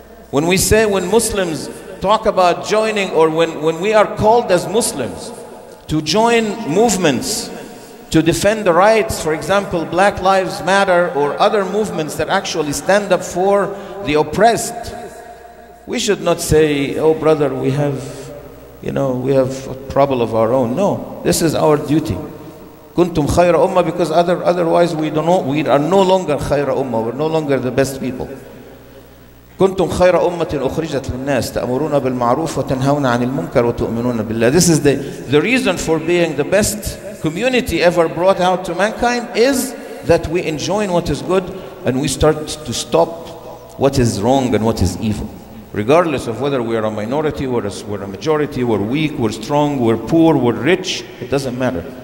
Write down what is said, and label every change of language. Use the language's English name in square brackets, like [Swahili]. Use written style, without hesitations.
[English] When we say, when Muslims talk about joining, or when we are called as Muslims to join movements to defend the rights, for example, Black Lives Matter or other movements that actually stand up for the oppressed, We should not say, oh brother, we have, you know, we have a trouble of our own. No, this is our duty. [Arabic] كنتم خير أمة, [English] because otherwise we are no longer [Arabic] خير أمة, [English] we're no longer the best people. [Arabic] كنتم خير أمة أخرجت للناس تأمرون بالمعروف وتنهون عن المنكر وتؤمنون بالله. [English] This is the reason for being the best community ever brought out to mankind, is that we enjoin what is good and we start to stop what is wrong and what is evil. Regardless of whether we are a minority, we're a majority, we're weak, we're strong, we're poor, we're rich, it doesn't matter.